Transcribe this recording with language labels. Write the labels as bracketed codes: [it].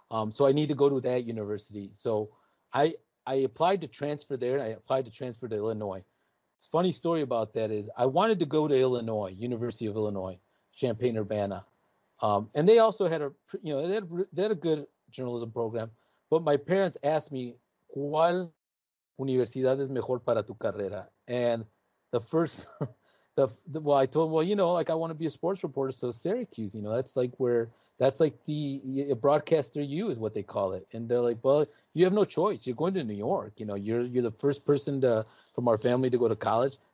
[en] So I need to go to that university. So I applied to transfer there. I applied to transfer to Illinois. Funny story about that is I wanted to go to Illinois, University of Illinois, Champaign-Urbana. And they also had a good journalism program. But my parents asked me, [es] ¿cuál universidad es mejor para tu carrera? [en] And I told them, well, you know, like I want to be a sports reporter. So Syracuse, you know, that's like the broadcaster U is what they call it. And they're like, well, you have no choice. You're going to New York. You know, you're the first person from our family to go to college.